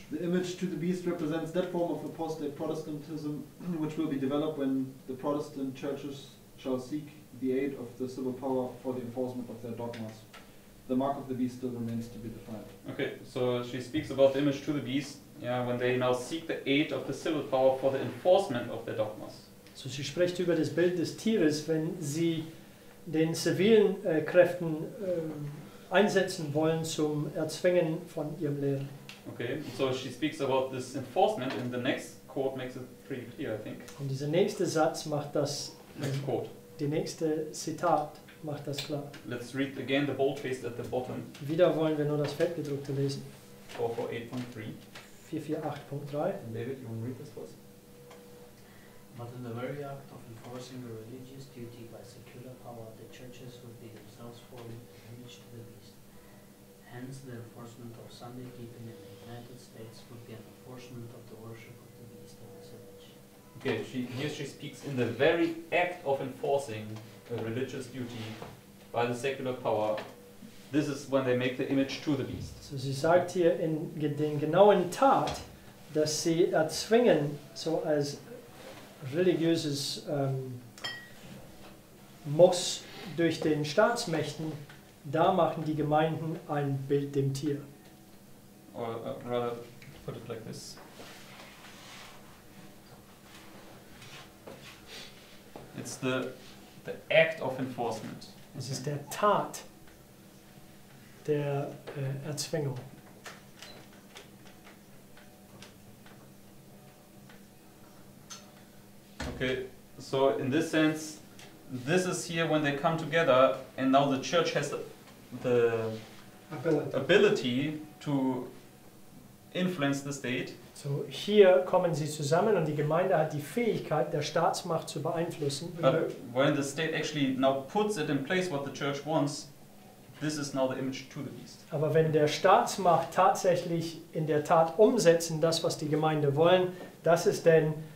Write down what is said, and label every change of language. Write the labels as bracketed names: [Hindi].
[English] The image to the beast represents that form of apostate Protestantism which will be developed when the Protestant churches shall seek the aid of the civil power for the enforcement of their dogmas. The mark of the beast still remains to be defined. Okay, so she speaks about the image to the beast, yeah, when they now seek the aid of the civil power for the enforcement of their dogmas. [German] So [English] she [German] spricht über das Bild des Tieres, wenn sie den zivilen Kräften einsetzen wollen zum Erzwingen von ihrem Lehren. [English] Okay, so she speaks about this enforcement and the next quote makes it pretty clear, I think. [German] Und dieser nächste Satz macht das, [English] next quote. [German] Die nächste Zitat macht das klar. [English] Let's read again the bold-faced at the bottom. [German] Wieder wollen wir nur das Fettgedruckte lesen. 448.3. 448.3. [English] And David, you want to read this for us? But in the very act of enforcing a religious duty by secular power, the churches would be themselves forming an image to the beast. Hence, the enforcement of Sunday keeping in the United States would be an enforcement of the worship of the beast in this image. Okay, she speaks in the very act of enforcing a religious duty by the secular power. This is when they make the image to the beast. [German] So sie sagt hier in den genauen Tat, dass sie erzwingen, so als religiöses Muss durch den Staatsmächten, da machen die Gemeinden ein Bild dem Tier. [English] Or rather, put it like this. It's the act of enforcement. [German] Es ist der Tat der Erzwingung. [English] Okay, so in this sense, this is here when they come together, and now the church has the ability to influence the state. [German] So hier kommen sie zusammen, und die Gemeinde hat die Fähigkeit, der Staatsmacht zu beeinflussen. [English] But when the state actually now puts it in place what the church wants, this is now the image to the beast. [German] Aber wenn der Staatsmacht tatsächlich in der Tat umsetzen das, was die Gemeinde wollen, das ist denn